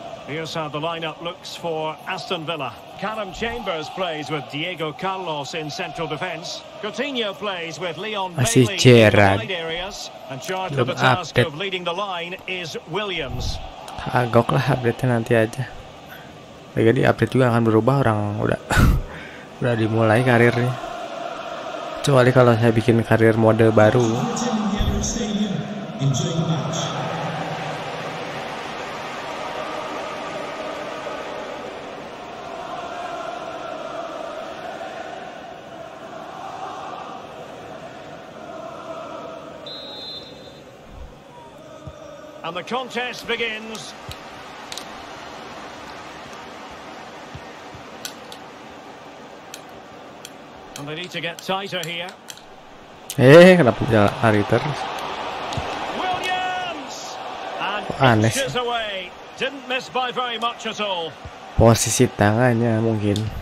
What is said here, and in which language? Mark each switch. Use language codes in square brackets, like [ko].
[en] Here's how the lineup looks for Aston Villa. Callum Chambers plays with Diego Carlos in central defence. Coutinho plays with Leon Bailey in the wide areas. And charged with the task of leading the line is Williams. [id] Agok lah update nanti aja. Jadi update juga akan berubah orang udah udah dimulai karirnya. Kecuali kalau saya bikin karir mode baru. [en] And the contest begins. And they need to get tighter here. [id] Kenapa dia lari terus? [en] Williams! And pushes away. Didn't miss by very much at all. [id] Posisi tangannya mungkin.